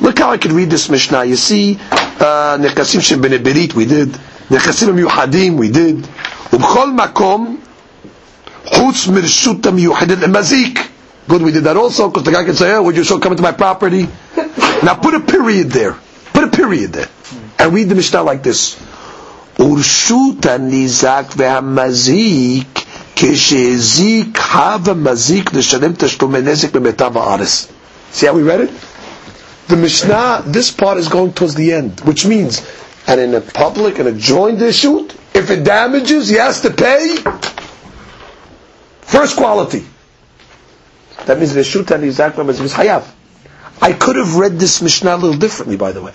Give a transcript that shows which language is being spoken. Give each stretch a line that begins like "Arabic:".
English: Look how I could read this Mishnah. You see, Nekasim Shem Bene Berit, we did.
Hebrew: נכסים המיוחדים,
English: we did.
Hebrew: ובכל מקום, חוץ מרשות המיוחדת למזיק.
English: Good, we did that also, because the guy can say, oh, would you show come to my property? Now put a period there. Put a period there. And read the Mishnah like this.
Hebrew: ורשות הניזק והמזיק, כשהזיק חב המזיק לשלם תשלומי נזק במיטב הארץ.
English: See how we read it? The Mishnah, this part is going towards the end, which means, and in a public, in a joint issue, if it damages, he has to pay first quality. That means the shoot and the exact number is hayav. I could have read this Mishnah a little differently, by the way.